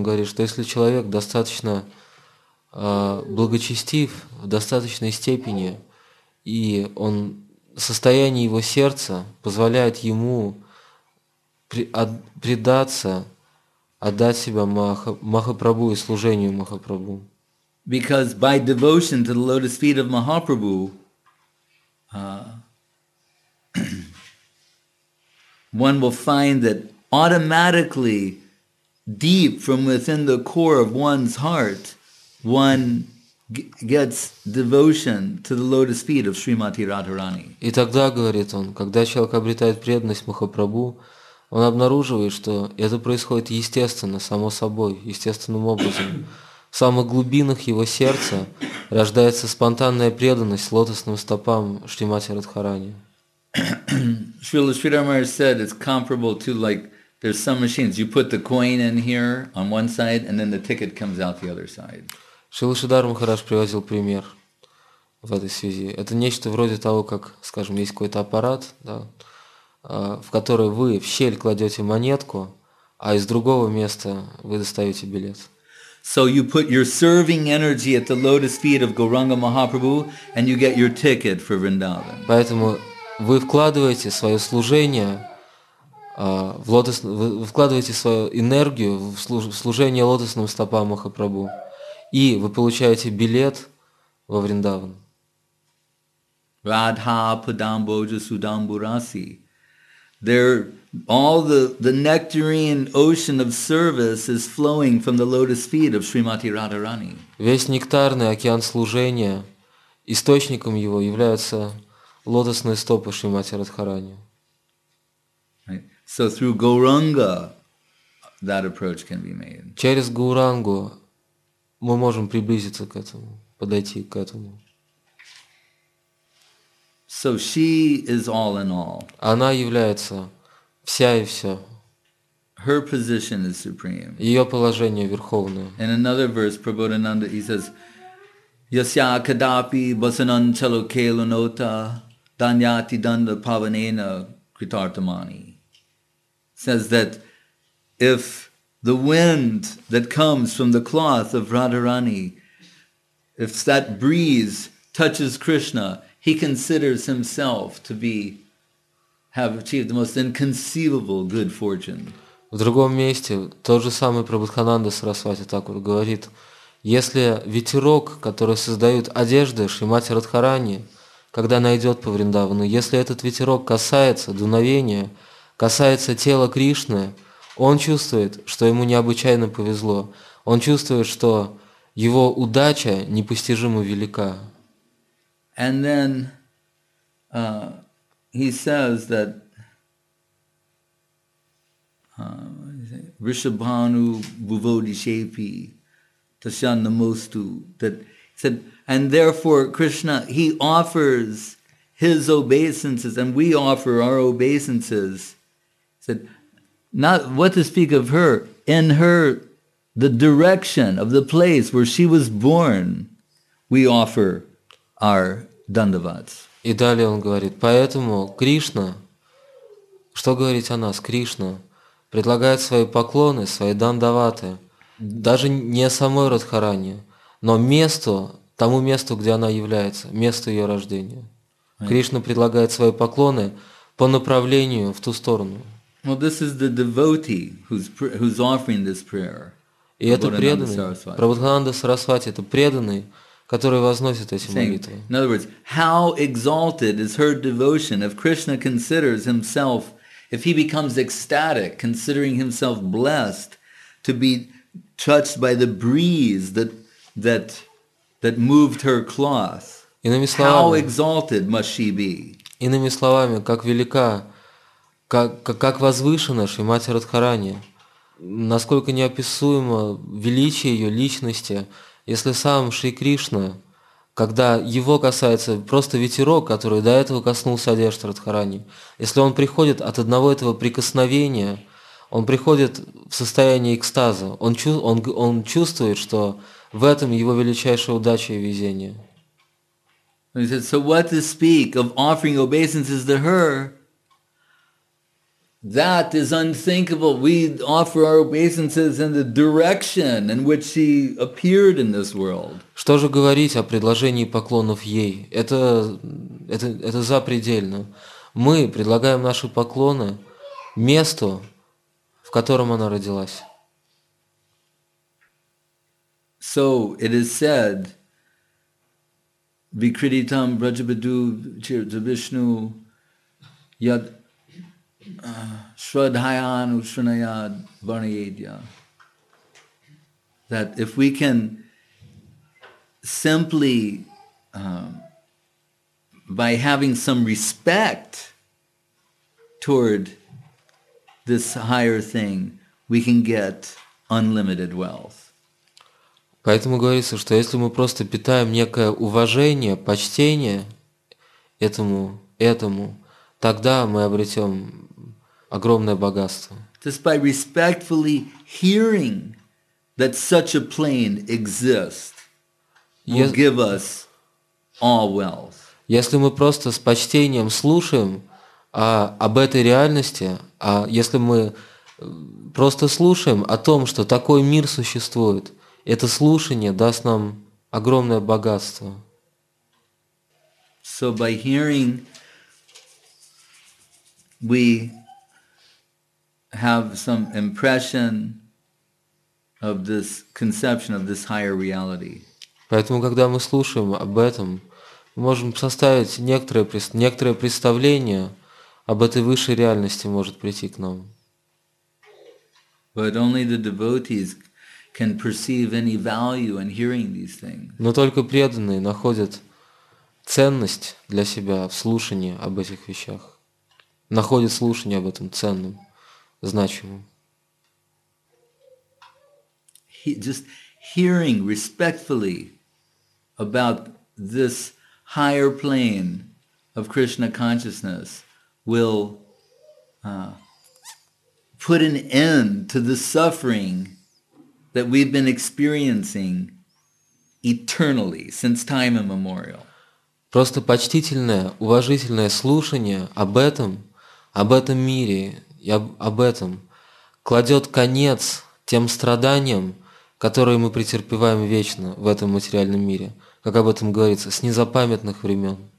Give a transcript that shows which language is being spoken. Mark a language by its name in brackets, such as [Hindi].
[Russian] Он говорит, что если человек достаточно благочестив в достаточной степени, и он состояние его сердца позволяет ему предаться, отдать себя Махапрабху и служению Махапрабху. [English] Because by devotion to the lotus feet of Mahaprabhu, one will find that automatically, deep from within the core of one's heart, one gets devotion to the lotus feet of Srimati Radharani. [Russian] И тогда, говорит он, когда человек обретает преданность Махапрабху, он обнаруживает, что это происходит естественно, само собой, естественным образом. В самых глубинах его сердца рождается спонтанная преданность лотосным стопам Шримати Радхарани. [English] Srila Sridhar Maharaj said it's comparable to like there's some machines. You put the coin in here on one side and then the ticket comes out the other side. [Russian] Шрила Шридхар Махарадж приводил пример в этой связи. Это нечто вроде того, как, скажем, есть какой-то аппарат, да, в который вы в щель кладете монетку, а из другого места вы достаете билет. [English] So you put your serving energy at the lotus feet of Gauranga Mahaprabhu and you get your ticket for Vrindavan. [Russian] Поэтому вы вкладываете свое служение в лотос, вы вкладываете свою энергию в служение лотосным стопам Махапрабху. И вы получаете билет во Вриндаван. [Sanskrit] Radha Padamboja Sudamburasi. [English] There all the nectarine ocean of service is flowing from the lotus feet of Srimati Radharani. [Russian] Весь нектарный океан служения, источником его являются лотосные стопы Шримати Радхарани. [English] Right. So through Gauranga that approach can be made. [Russian] Через Гаурангу мы можем приблизиться к этому, подойти к этому. [English] So she is all in all. [Russian] Она является вся и все. [English] Her position is supreme. [Russian] Ее положение верховное. [English] In another verse, Prabodhananda, he says, [Sanskrit] Yasya kadapi basanan chalo kelunota danyati danda pavanena kritartamani. [English] Says that if the wind that comes from the cloth of Radharani, if that breeze touches Krishna, he considers himself to be have achieved the most inconceivable good fortune. [Russian] В другом месте тот же самый Прабхудхананда Сарасвати Такур говорит, если ветерок, который создают одежды Шримати Радхарани, когда найдет по Вриндавану, если этот ветерок касается дуновения, касается тела Кришны, он чувствует, что ему необычайно повезло. Он чувствует, что его удача непостижимо велика. [English] And then he says that [Sanskrit] Rishabhanu Bhuvodishepi Tashanamostu, [English] that he said, and therefore Krishna, he offers his obeisances and we offer our obeisances. He said, not what to speak of her, in her, the direction of the place where she was born, we offer our dandavats. [Russian] И далее он говорит, поэтому Кришна, Что говорить о нас, Кришна? Предлагает свои поклоны, свои дандаваты, даже не самой Радхарани, но месту, тому месту, где она является, месту ее рождения. Кришна предлагает свои поклоны по направлению в ту сторону. [English] Well, this is the devotee who's offering this prayer. [Russian] И это преданный, Прабхутананда Сарасвати, это преданный, который возносит эти молитвы. [English] In other words, how exalted is her devotion if Krishna considers himself, if he becomes ecstatic, considering himself blessed to be touched by the breeze that moved her cloth. [Russian] Иными словами, [English] how exalted must she be? [Russian] Иными словами, как велика, как возвышена же мать Радхарани, насколько неописуемо величие ее личности, если сам Шри Кришна, когда его касается просто ветерок, который до этого коснулся одежды Радхарани, если он приходит от одного этого прикосновения, он приходит в состояние экстаза, он чувствует, что в этом его величайшая удача и везение. [English] He said, so what to speak of offering obeisances to her? That is unthinkable. We offer our obeisances in the direction in which she appeared in this world. [Russian] Что же говорить о предложении поклонов ей? Это запредельно. Мы предлагаем наши поклоны месту, в котором она родилась. [English] So it is said, [Sanskrit] Vikriditam Brajabadhu Chirjabhishnu Yad Shradhayan Ushranayad Varnayadya. [English] That if we can simply by having some respect toward this higher thing, we can get unlimited wealth. [Russian] Поэтому говорится, что если мы просто питаем некое уважение, почтение этому, тогда мы обретем огромное богатство. [English] Just by respectfully hearing that such a plane exists will give us all wealth. [Russian] Если мы просто с почтением слушаем об этой реальности, а если мы просто слушаем о том, что такой мир существует, это слушание даст нам огромное богатство. [English] So by hearing we have some impression of this conception of this higher reality. [Russian] Поэтому, когда мы слушаем об этом, мы можем составить некоторое представление об этой высшей реальности может прийти к нам. [English] But only the devotees can perceive any value in hearing these things. [Russian] Но только преданные находят ценность для себя в слушании об этих вещах. Находят слушание об этом ценным, значимым. [English] Just hearing respectfully about this higher plane of Krishna consciousness will put an end to the suffering that we've been experiencing eternally since time immemorial. [Russian] Просто почтительное, уважительное слушание об этом мире и об этом кладет конец тем страданиям, которые мы претерпеваем вечно в этом материальном мире, как об этом говорится, с незапамятных времен.